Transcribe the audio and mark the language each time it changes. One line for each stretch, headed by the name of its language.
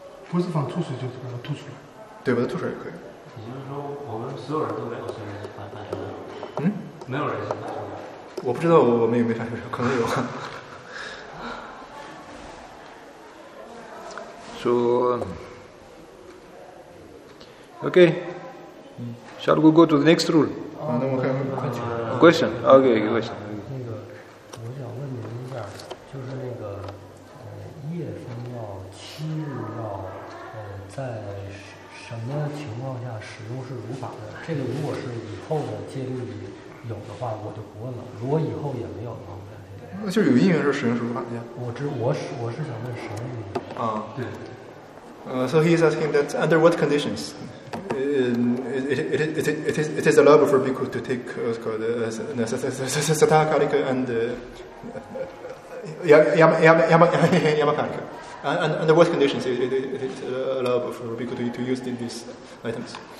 Chinese: 不是反刍水就是把它吐出来，对，把它吐出来也可以。也就是说，我们所有人都没有反刍者。没有人是反刍者。我不知道我们有没有反刍者，可能有。
English: So, okay, shall we go to the next rule? Question? Okay, question.
Chinese: 那个，我想问您一下，就是那个，夜风要七日要，在什么情况下使用是如法的？这个如果是以后的戒律里有的话，我就不问了；如果以后也没有的话，那就有因缘是使用是如法的呀。我是想问什么原因？啊，对。
English: So he is asking that under what conditions it is allowable for people to take what's called satakalika and yamakalika, and under what conditions it allowable for people to use these items?